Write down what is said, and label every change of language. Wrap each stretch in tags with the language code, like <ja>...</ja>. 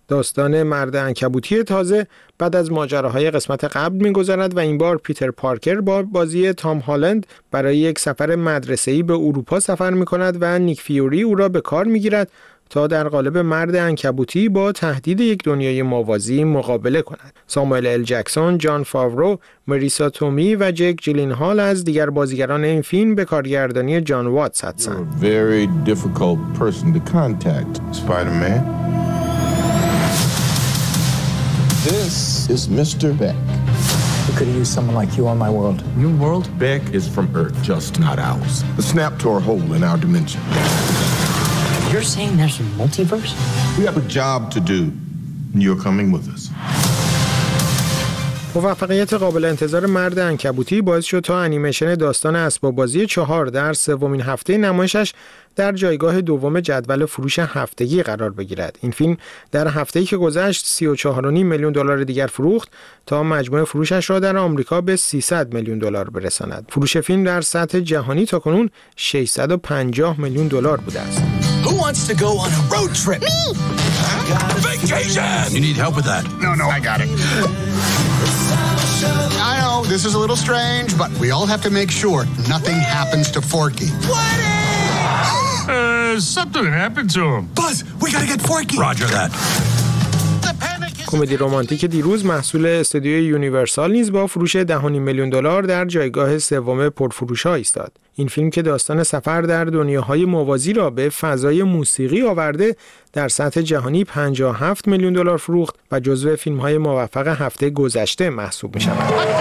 <fa>داستان مرد عنکبوتی تازه بعد از ماجراهای قسمت قبل می‌گذرد و این بار پیتر پارکر با بازی تام هالند برای یک سفر مدرسه‌ای به اروپا سفر می‌کند و نیک فیوری او را به کار می‌گیرد تا در قالب مرد عنکبوتی با تهدید یک دنیای موازی مقابله کند. ساموئل ال جکسون، جان فاورو، مریسا تومی و جک جیلنهال از دیگر بازیگران این فیلم به کارگردانی جان واتس هستند.</fa> <en>Very difficult person to contact, Spider-Man. This is Mr. Beck. I could use someone like you on my world. New world? Beck is from Earth, just not ours. The snap tore a hole in our dimension. You're saying there's a multiverse? We have a job to do, and you're coming with us.</en> <fa>موفقیت قابل انتظار مرد عنکبوتی باعث شد تا انیمیشن داستان اسباب بازی 4 در سومین هفته نمایشش در جایگاه دوم جدول فروش هفتگی قرار بگیرد. این فیلم در هفته‌ای که گذشت 34.5 میلیون دلار دیگر فروخت تا مجموع فروشش را در آمریکا به 300 میلیون دلار برساند. فروش فیلم در سطح جهانی تا کنون 650 میلیون دلار بوده است.</fa> <en>Who wants to go on a road trip? Me. Vacation. You need help with that? No, no, I got it. I know this is a little strange, but we all have to make sure nothing happens to Forky. What? Something happened to him. Buzz, we gotta get Forky. Roger that.</en> <fa>کمدی رمانتیک دیروز محصول استودیوی یونیورسال نیز با فروش 10.5 میلیون دلار در جایگاه سوم پرفروش‌ها ایستاد. این فیلم که داستان سفر در دنیاهای موازی را به فضای موسیقی آورده در سطح جهانی 57 میلیون دلار فروخت و جزو فیلم‌های موفق هفته گذشته محسوب می‌شود.</fa>